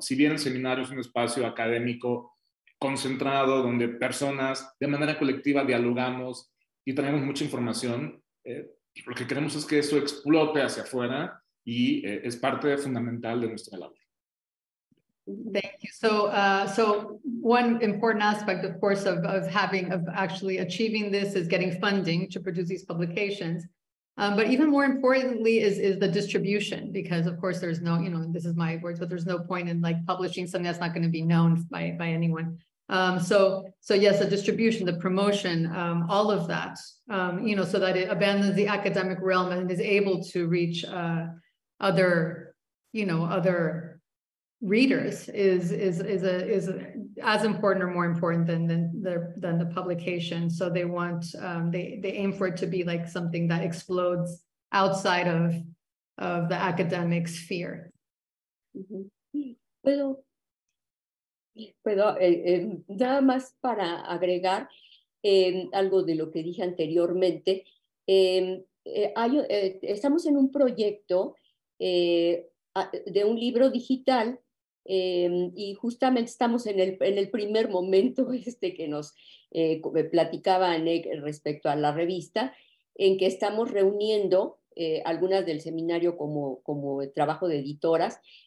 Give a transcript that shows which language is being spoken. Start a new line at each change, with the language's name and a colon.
Spanish: Si bien el seminario es un espacio académico concentrado donde personas de manera colectiva dialogamos y traemos mucha información, lo que queremos es que eso explote hacia afuera y es parte fundamental de nuestra labor.
English: Thank you. So, so one important aspect, of course, of having, of actually achieving this is getting funding to produce these publications. But even more importantly is the distribution, because of course there's no, you know, this is my words, but there's no point in like publishing something that's not going to be known by anyone. So yes, the distribution, the promotion, all of that, you know, so that it abandons the academic realm and is able to reach other, you know, other readers is as important or more important than the publication. So they want they aim for it to be like something that explodes outside of the academic sphere. Mm-hmm.
Spanish: Puedo nada más para agregar algo de lo que dije anteriormente. Estamos en un proyecto de un libro digital. Y justamente estamos en el primer momento que nos platicaba Anek respecto a la revista, en que estamos reuniendo algunas del seminario como trabajo de editoras,